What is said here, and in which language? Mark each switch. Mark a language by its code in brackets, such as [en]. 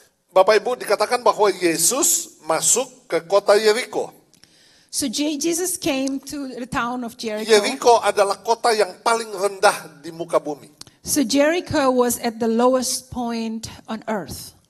[id] Bapak Ibu, dikatakan bahwa Yesus masuk ke kota Jericho. [en] So Jesus came to the town of Jericho. [id] Jericho adalah kota yang paling rendah di muka bumi. [en] So Jericho was at the lowest point on earth.